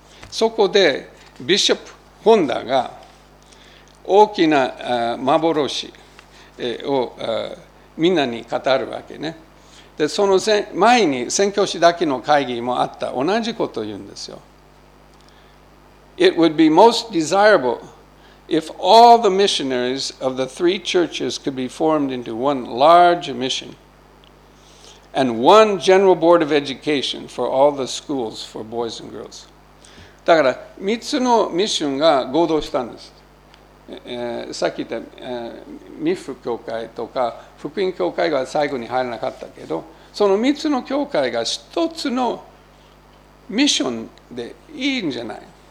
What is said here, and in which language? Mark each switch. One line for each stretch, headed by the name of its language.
Japanese: そこでビショップ・ホンダが大きな幻をみんなに語るわけね。でその前に宣教師だけの会議もあった、同じことを言うんですよ。
English: It would be most desirable if all the missionaries of the three churches could be formed into one large mission and one general board of education for all the schools for boys and girls。
Japanese: だから3つのミッションが合同したんです。さっき言った、ミフ教会とか福音教会が最後に入らなかったけど、その3つの教会が1つのミッションでいいんじゃない。